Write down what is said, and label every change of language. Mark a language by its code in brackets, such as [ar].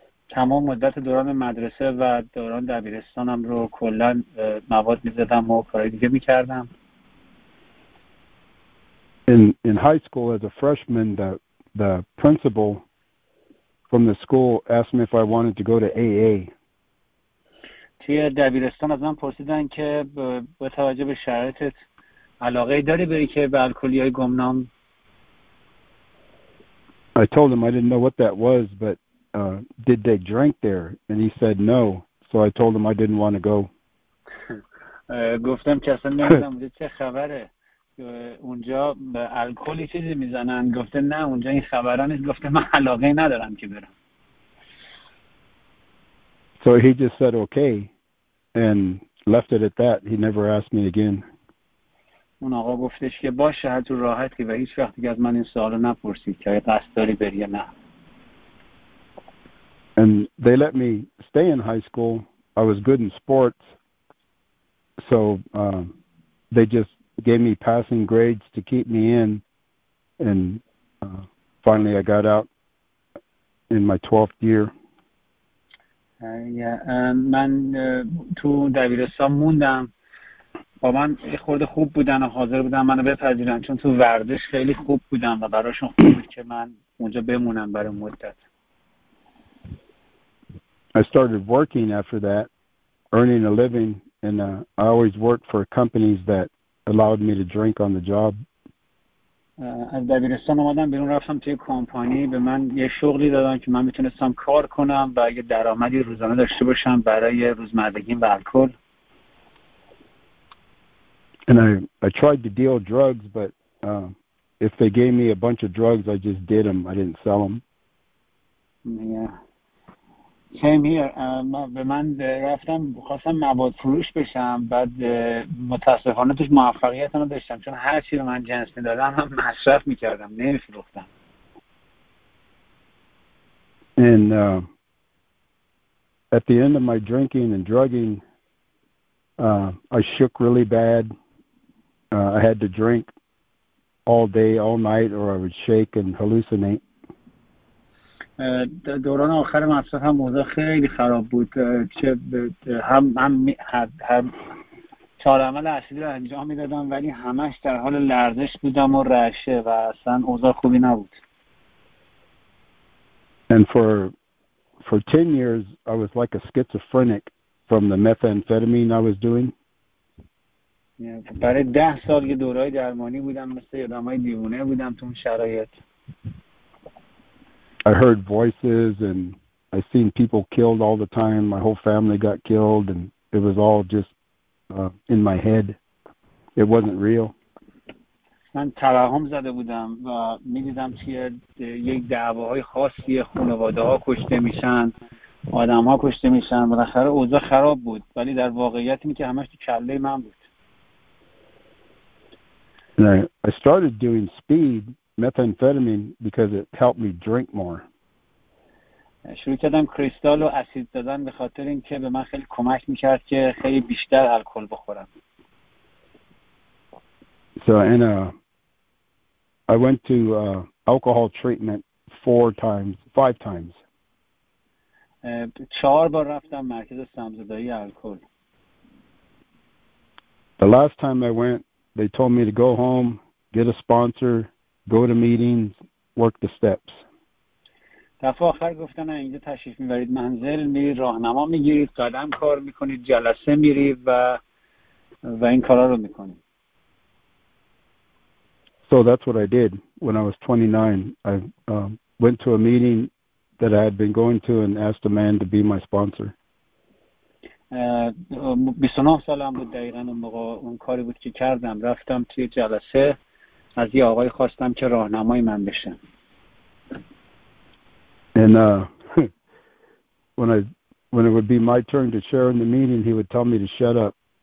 [fa] تمام مدت دوران مدرسه و دوران دبیرستانم رو کلن مواد می‌زدم و کارهای دیگه می‌کردم. [en] In high school as a freshman, the principal from the school asked me if I wanted to go to AA. [fa] توی دبیرستان از من پرسیدن که با توجه به شرایطت علاقه داری بری که به الکلی‌های گمنام؟ [en] I told him I didn't know what that was, but did they drink there? And he said no. So I told him I didn't want to go. [fa] گفتم که اصلا نمیدونم اونجا چه خبره. اونجا الکلی چیزی میزنن. گفته نه، اونجا این خبرها نیست. گفته من علاقه ندارم که برم. [en] So he just said okay and left it at that. He never asked me again. [fa] اون آقا گفتش که باشه، هر جور راحتی، و هیچ وقت دیگه از من این سوالو نپرسید که قصد داری بری یا نه. [en] And they let me stay in high school. I was good in sports. So they just gave me passing grades to keep me in. And finally I got out in my 12th year. [fa] من تو دبیرستان موندم. با من یه خورده خوب بودن و حاضر بودن منو بپذیرن چون تو ورزش خیلی خوب بودم و براشون خوب بود که من اونجا بمونم برای مدت. [en] I started working after that, earning a living, and I always worked for companies that allowed me to drink on the job. [fa] از دبیرستان اومدم بیرون رفتم توی کمپانی به من یه شغلی دادن که من میتونستم کار کنم و یه درآمدی روزانه داشته باشم برای روزمرگیم و الکل. [en] And I tried to deal drugs, but if they gave me a bunch of drugs, I just did them. I didn't sell them. Yeah. Same here. [fa] به من رفتم خواستم مواد فروش بشم. بعد متاسفانه توش موفقیت رو داشتم. چون هر چی رو من جنس میدادم هم مصرف میکردم. نمی فروختم. [en] And at the end of my drinking and drugging, I shook really bad. I had to drink all day, all night, or I would shake and hallucinate. [fa] دوران آخر مصرف هم موضوع خیلی خراب بود. چه هم چهار عمل اصلی رو انجام میدادم ولی همش در حال لرزش بودم و رعشه و اصلا اوضاع خوبی نبود. [en] And for 10 years, I was like a schizophrenic from the methamphetamine I was doing. [fa] برای 10 سال یه دورای درمانی بودم مثل آدمای دیوونه بودم تو اون شرایط. [en] I heard voices and I seen people killed all the time. My whole family got killed and it was all just in my head. It wasn't real. [fa] من توهم زده بودم و می‌دیدم که یک دعواهای خاصی خانواده‌ها کشته میشن، آدم‌ها کشته میشن. بالاخره اوضاع خراب بود ولی در واقعیت اینه که همش تو کله من بود. [en] And I started doing speed methamphetamine because it helped me drink more. [fa] شروع کردم کریستال و اسید دادن به خاطر اینکه به من خیلی کمک می‌کرد که خیلی بیشتر الکل بخورم. [en] So and I went to alcohol treatment 4 times, 5 times. [fa] 4 بار رفتم مرکز سمزدایی الکل. [en] The last time I went, they told me to go home, get a sponsor, go to meetings, work the steps. [fa] دفعه آخر گفتن اینجا تشریف میبرید منزل، میرید راهنما میگیرید، قدم کار میکنید، جلسه میرید و این کارا رو میکنید. [en] So that's what I did when I was 29. I went to a meeting that I had been going to and asked a man to be my sponsor. [fa] 29 سالم بود دقیقاً اون موقع اون کاری بود که کردم. رفتم توی جلسه از یه آقای خواستم که راهنمای من بشه. [en] And when it would be my turn to share in the meeting, he would tell me to shut up.